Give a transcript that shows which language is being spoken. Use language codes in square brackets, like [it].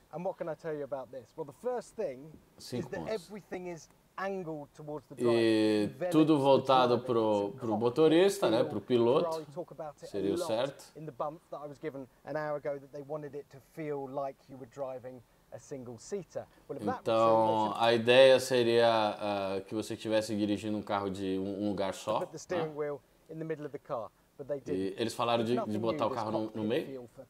[en] And what can I tell you about this? Well, the first thing is that everything is angled towards the driver. [pt] Tudo voltado pro motorista, né, pro piloto. Seria o certo. [en] In the bump that I was given an hour ago that they wanted it to feel like you were driving a single seater. [pt] Então, a ideia seria que você estivesse dirigindo um carro de um lugar só. [en] Put the steering wheel in the middle of the car. [pt] E eles falaram de botar o carro no meio.